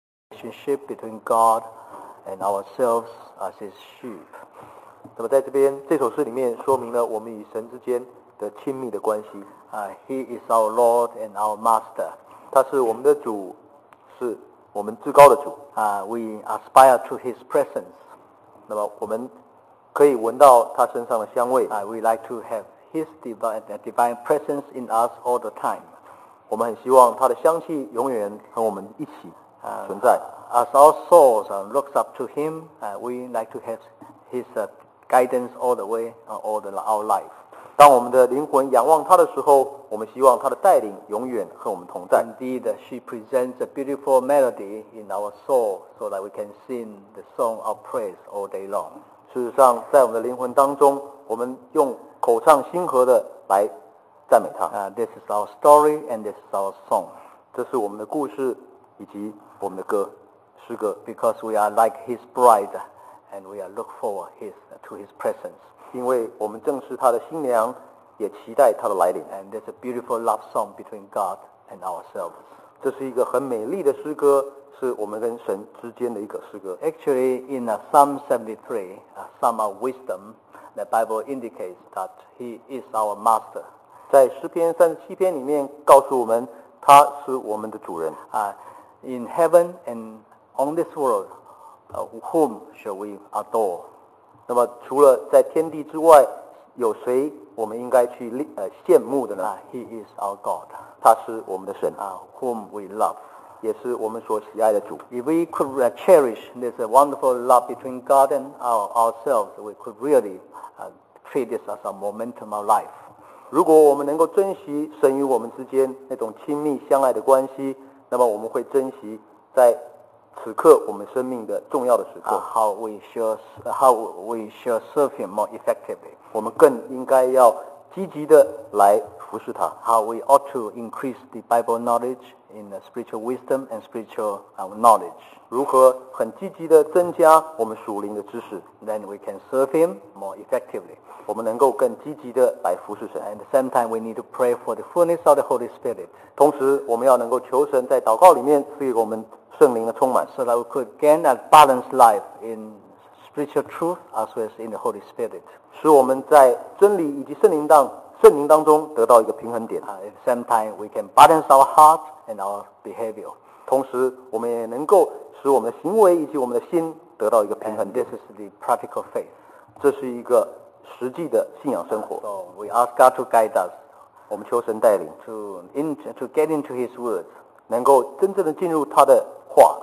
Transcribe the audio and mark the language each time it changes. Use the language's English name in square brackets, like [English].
[English] relationship between God and ourselves as His sheep. [Chinese] 那么在这边这首诗里面说明了我们与神之间的亲密的关系。 [English] He is our Lord and our Master. [Chinese] 他是我们的主，是我们至高的主。 [English] We aspire to His presence. [Chinese] 那么我们可以闻到他身上的香味。 [English] We like to have His divine presence in us all the time. [Chinese] 我们很希望他的香气永远和我们一起存在。 [English] As our souls looks up to Him, we like to have His guidance all the way, all our life. [Chinese] 当我们的灵魂仰望他的时候，我们希望他的带领永远和我们同在。 [English] Indeed, she presents a beautiful melody in our soul so that we can sing the song of praise all day long. [Chinese] 事实上，在我们的灵魂当中，我们用口唱心和的来赞美他。 [English] This is our story and this is our song. [Chinese] 这是我们的故事以及我们的歌。诗歌 [English] ，because we are like His bride, and we are look forward to His presence. [Chinese] 因为我们正是他的新娘，也期待他的来临。 [English] And there's a beautiful love song between God and ourselves. [Chinese] 这是一个很美丽的诗歌，是我们跟神之间的一个诗歌。 [English] Actually, in Psalm 73, a Psalm of Wisdom, the Bible indicates that He is our Master. [Chinese] 在诗篇三十七篇里面，告诉我们他是我们的主人。 [English] In heaven and on this world, whom shall we adore? [Chinese] 那么除了在天地之外，有谁我们应该去羡慕的呢？ [English] He is our God. [Chinese] 他是我们的神。 [English] Whom we love. [Chinese] 也是我们所喜爱的主。 [English] If we could cherish this wonderful love between God and ourselves, we could really treat this as a momentum of life. [Chinese] 如果我们能够珍惜神与我们之间那种亲密相爱的关系，那么我们会珍惜在此刻我们生命的重要的时刻。 [English] How we shall serve Him more effectively. [Chinese] 我们更应该要积极的来服侍他。 [English] How we ought to increase the Bible knowledge in the spiritual wisdom and spiritual knowledge. [Chinese] 如何很积极的增加我们属灵的知识。 [English] Then we can serve Him more effectively. [Chinese] 我们能够更积极的来服侍神。 [English] And at the same time, we need to pray for the fullness of the Holy Spirit. [Chinese] 同时我们要能够求神在祷告里面赐予我们圣灵的充满。 [English] So that we could gain a balanced life in spiritual truth as well as in the Holy Spirit. [Chinese] 使我们在真理以及圣灵当中得到一个平衡点。 [English] At the same time, we can balance our heart and our behavior. [Chinese] 同时我们也能够使我们的行为以及我们的心得到一个平衡点。 [English] And this is the practical faith. [Chinese] 这是一个实际的信仰生活。 [English] So we ask God to guide us. [Chinese] 我们求神带领。 [English] To get into His words. [Chinese] 能够真正的进入他的话。